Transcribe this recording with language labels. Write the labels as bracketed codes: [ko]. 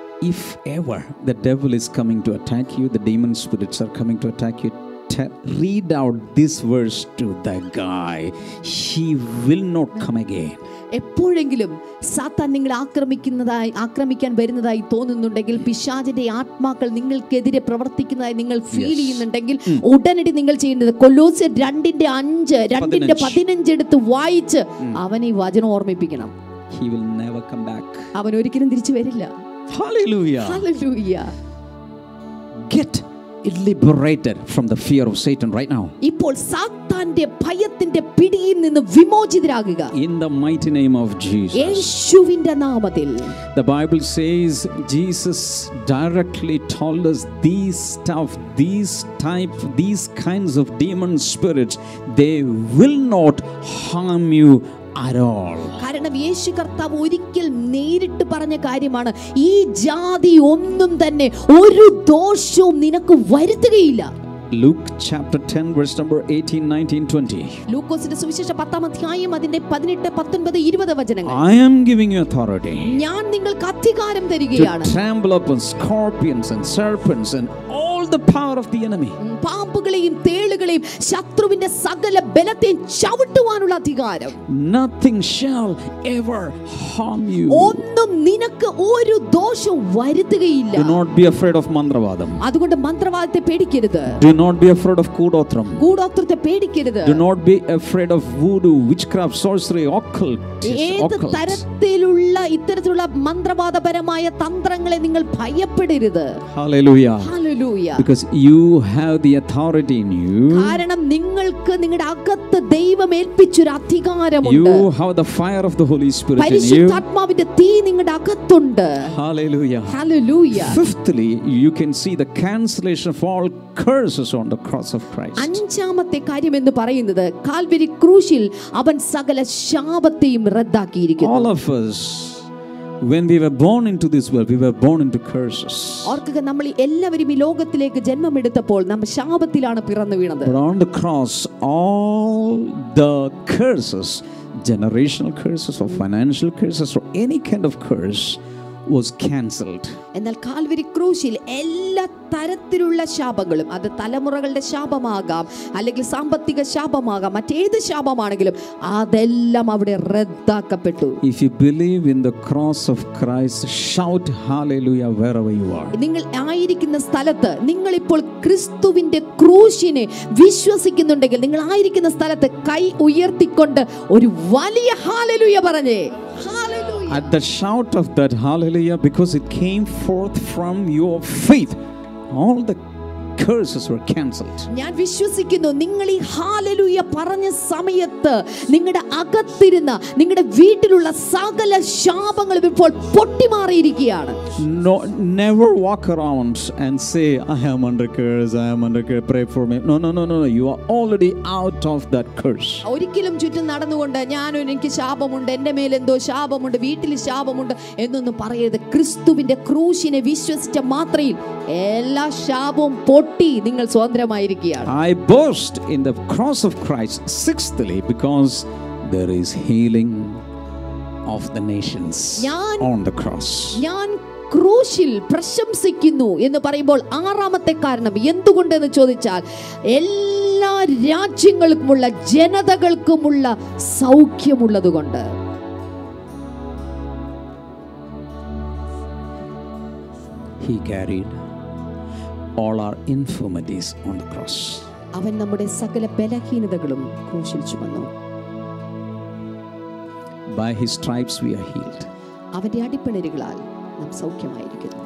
[en] If ever the devil is coming to attack you, the demon spirits are coming to attack you, read out this verse to the guy. He will not come again. [ml] എപ്പോഴെങ്കിലും സാത്താൻ നിങ്ങളെ ആക്രമിക്കാൻ വരുന്നതായി തോന്നുന്നുണ്ടെങ്കിൽ, പിശാചിന്റെ ആത്മാക്കൾ നിങ്ങൾക്കെതിരെ പ്രവർത്തിക്കുന്നതായി നിങ്ങൾ ഫീൽ ചെയ്യുന്നുണ്ടെങ്കിൽ, ഉടനടി നിങ്ങൾ ചെയ്യുന്നത് കൊലോസ്യർ 2:5-15 എടുത്ത് വായിച്ച് അവനെ വചനം ഓർമ്മിപ്പിക്കണം. [en] He will never come back. [ml] അവൻ ഒരിക്കലും തിരിച്ചു വരില്ല. [en] Hallelujah. Hallelujah. Get liberated from the fear of Satan right now. [ml] ഇപ്പോൾ സാത്താന്റെ ഭയത്തിന്റെ പിടിയിൽ നിന്ന് വിമോചിതരാകുക. [en] In the mighty name of Jesus. [ml] യേശുവിന്റെ നാമത്തിൽ. [en] The Bible says Jesus directly told us these stuff, these type, these kinds of demon spirits, they will not harm you. [ml] കാരണം യേശു കർത്താവ് ഒരിക്കൽ നേരിട്ട് പറഞ്ഞ കാര്യമാണ്, ഈ ജാതി ഒന്നും തന്നെ ഒരു ദോഷവും നിനക്ക് വരുത്തുകയില്ല. [en] Luke 10:18-20. [ml] സുവിശേഷം 10:18 അതിന്റെ 18-19-20 വചനങ്ങൾ. [en] I am giving you authority. [ml] ഞാൻ നിങ്ങൾക്ക് അധികാരം തരികയാണ്. [en] To trample upon scorpions and serpents and all the power of the enemy. [ml] പാമ്പുകളെയും തേളുകളെയും ശത്രുവിന്റെ സകല ബലത്തെയും ചവിട്ടുവാനുള്ള അധികാരം. [en] Nothing shall ever harm you. [ml] ഒന്നും നിനക്ക് ഒരു ദോഷവും വരുത്തുകയില്ല. [en] Do not be afraid of മന്ത്രവാദം. [ml] അതുകൊണ്ട് മന്ത്രവാദത്തെ പേടിക്കരുത്. [en] Do not be afraid of കൂടോത്രം. [ml] കൂടോത്രത്തെ പേടിക്കരുത്. [en] Do not be afraid of voodoo, witchcraft, sorcery, occult. [ml] ഏത് തരത്തിലുള്ള ഇത്തരത്തിലുള്ള മന്ത്രവാദപരമായ തന്ത്രങ്ങളെ നിങ്ങൾ ഭയപ്പെടരുത്. [en] Hallelujah. Hallelujah. Because you have the authority in you. [ml] കാരണം നിങ്ങൾക്ക് നിങ്ങളുടെ അകത്ത് ദൈവം ഏൽപ്പിച്ച ഒരു അധികാരമുണ്ട്. [en] You have the fire of the Holy Spirit in you. [ml] പരിശുദ്ധാത്മാവിന്റെ തീ നിങ്ങളുടെ അകത്തുണ്ട്. [en] Hallelujah. Hallelujah. Fifthly, you can see the cancellation of all curses on the cross of Christ. [ml] അഞ്ചാമത്തെ കാര്യം എന്ന് പറയുന്നത് കാൽവരി ക്രൂശിൽ അവൻ സകല ശാപത്തെയും റദ്ദാക്കിയിരിക്കുന്നു. [en] All of us, when we were born into this world, we were born into curses. [ml] ഓർക്കുക, നമ്മൾ എല്ലാവരും ഈ ലോകത്തിലേക്ക് ജന്മം എടുത്തപ്പോൾ നമ്മൾ ശാപത്തിലാണ് പിറന്നു വീണത്. [en] But on the cross, all the curses, generational curses or financial curses or any kind of curse, was cancelled. [ml] എന്നാൽ കാൽവരി ക്രൂശിൽ എല്ലാ തരത്തിലുള്ള ശാപങ്ങളും, അത് തലമുറകളുടെ ശാപമാകാം അല്ലെങ്കിൽ സാമ്പത്തിക ശാപമാകാം മറ്റേത് ശാപമാണെങ്കിലും, അതെല്ലാം അവിടെ റദ്ദാക്കപ്പെട്ടു. [en] If you believe in the cross of Christ, shout hallelujah wherever you are. [ml] നിങ്ങൾ ആയിരിക്കുന്ന സ്ഥലത്ത് നിങ്ങൾ ഇപ്പോൾ ക്രിസ്തുവിന്റെ ക്രൂശിനെ വിശ്വസിക്കുന്നുണ്ടെങ്കിൽ, നിങ്ങൾ ആയിരിക്കുന്ന സ്ഥലത്ത് കൈ ഉയർത്തിക്കൊണ്ട് ഒരു വലിയ ഹാലലുയ പറഞ്ഞേ. [en] At the shout of that hallelujah, because it came forth from your faith, all the curses were cancelled. [ml] ഞാൻ വിശ്വസിക്കുന്നു, നിങ്ങൾ ഈ ഹല്ലേലൂയ പറഞ്ഞ സമയത്ത് നിങ്ങളുടെ അകത്തിരുന്ന നിങ്ങളുടെ വീട്ടിലുള്ള സകല ശാപങ്ങളും ഇപ്പോൾ പൊട്ടിമാറിയിരിക്കുകയാണ്. [en] No, never walk around and say, I am under curse, I am under curse, pray for me. No, you are already out of that curse. [ml] ഒരിക്കലും ചുറ്റും നടന്നുകൊണ്ട് ഞാൻ എനിക്ക് ശാപമുണ്ട്, എൻ്റെ മേൽ എന്തോ ശാപമുണ്ട്, വീട്ടിൽ ശാപമുണ്ട് എന്നൊന്നും പറയരുത്. ക്രിസ്തുവിന്റെ ക്രൂശിനെ വിശ്വസിച്ച മാത്രയിൽ എല്ലാ ശാപവും പൊട്ടി നിങ്ങൾ സ്വതന്ത്രമായിരിക്കുകയാണ്. [en] I boast in the cross of Christ, sixthly, because there is healing of the nations on the cross. [ml] ഞാൻ ക്രൂശിൽ പ്രശംസിക്കുന്നു എന്ന് പറയുമ്പോൾ ആറാമത്തെ കാരണം എന്തുകൊണ്ടെന്ന് ചോദിച്ചാൽ, എല്ലാ രാജ്യങ്ങൾക്കുമുള്ള ജനതകൾക്കുമുള്ള സൗഖ്യമുള്ളതുകൊണ്ട്. [en] He carried all our infirmities on the cross. [ml] അവൻ നമ്മുടെ സകല ബലഹീനതകളും ക്രൂശിൽ ചുമന്നു. [en] By his stripes we are healed. [ml] അവന്റെ അടിപ്പിണരുകളാൽ നാം സൗഖ്യമായിരിക്കുന്നു.